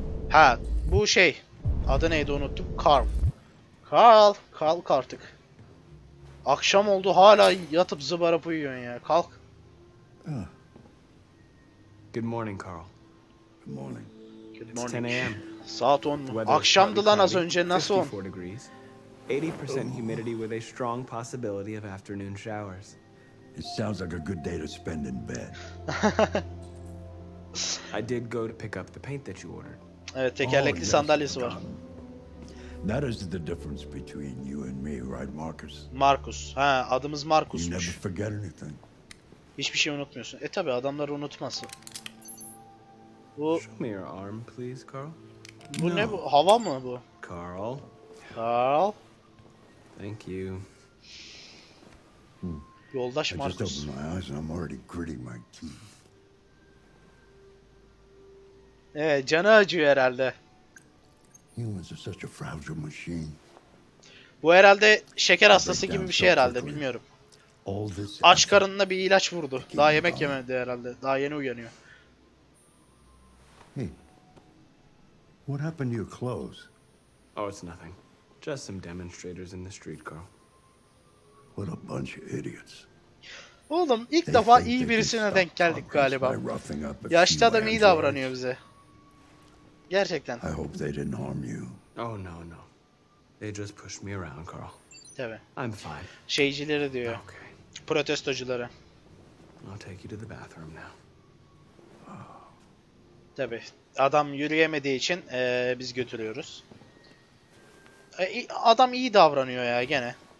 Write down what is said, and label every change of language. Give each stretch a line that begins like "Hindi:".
Turkish: Ha, bu şey. Adı neydi unuttum. Carl. Carl, kalk artık. Akşam oldu, hala yatıp zıbarıp uyuyorsun ya. Kalk.
English: Good morning, Carl. Good morning. Good morning. It's 10 a.m.
Turkish: Saat 10 mu? Akşamdı lan az önce, nasıl 54
English: degrees. 80% humidity with a strong possibility of afternoon showers. It sounds like a good day to spend in bed. I did go to pick up the paint that you ordered.
Turkish: Evet, tekerlekli sandalyesi var.
English: That is the difference between you and me, right, Marcus?
Turkish: Marcus. Ha, adımız Marcus'muş.
English: You never forget anything.
Turkish: Hiçbir şey unutmuyorsun. E tabi, adamlar unutması. Bu...
English: Show me your arm, please, Carl.
Turkish: Bu no. Ne bu? Hava mı bu?
English: Carl. Carl. Thank you.
Turkish: Yoldaş Marcus.
English: I just opened my eyes and I'm already gritting my teeth.
Turkish: Canı acıyor herhalde.
English: Humans are such a fragile machine.
Turkish: Bu herhalde şeker hastası gibi bir şey herhalde, bilmiyorum. Aç karınına bir ilaç vurdu. Daha yemek yemedi herhalde. Daha yeni uyanıyor.
English: Hey. What happened to your clothes? Oh, it's nothing. Just some demonstrators in the street, Carl. What a bunch of idiots.
Turkish: Oğlum, ilk defa iyi birisine denk geldik galiba. Yaşlı adam iyi davranıyor bize. Gerçekten.
English: I hope they didn't harm you. Oh no no. They just pushed me around, Carl.
Turkish: Tabii.
English: I'm fine.
Turkish: Şeycileri diyor.
English: Okay.
Turkish: Protestocuları.
English: I'll take you to the bathroom now.
Turkish: Tabii. Adam yürüyemediği için biz götürüyoruz. Adam iyi davranıyor ya gene.